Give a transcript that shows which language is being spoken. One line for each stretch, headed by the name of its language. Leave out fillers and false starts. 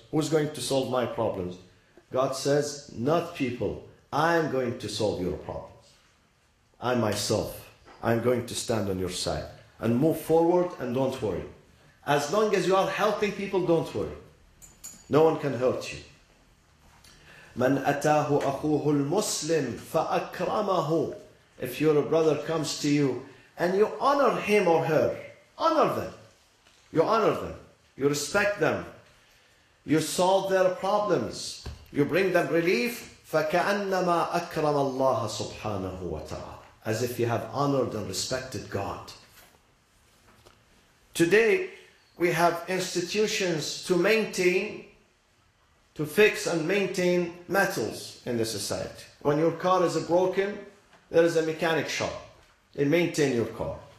English: Who's going to solve my problems? God says, not people. I'm going to solve your problems. I myself, I'm going to stand on your side. And move forward and don't worry. As long as you are helping people, don't worry. No one can hurt you.
Arabic: من أتاه أخوه المسلم فأكرمه.
English: If your brother comes to you and you honor him or her, honor them. You honor them. You respect them. You solve their problems. You bring them relief.
Arabic: فكأنما أكرم الله سبحانه وتعالى.
English: As if you have honored and respected God. Today, we have institutions to maintain, to fix and maintain metals in the society. When your car is broken, there is a mechanic shop. They maintain your car.